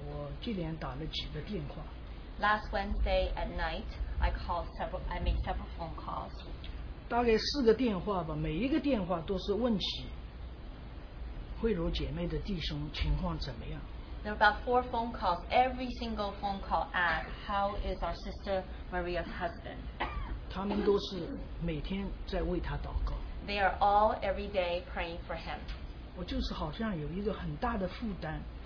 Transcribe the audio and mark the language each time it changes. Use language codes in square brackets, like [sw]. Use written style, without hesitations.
[zh] 上个礼拜三的晚上，我接连打了几个电话。 [en] Last Wednesday at night, I made several phone calls. [zh] 大概四个电话吧，每一个电话都是问起。慧茹姐妹的弟兄情况怎么样？ [en] There are about four phone calls. Every single phone call asks, "How is our sister Maria's husband?" [zh] 他们都是每天在为他祷告。 [en] They are all every day praying for him. [zh] 我就是好像有一个很大的负担。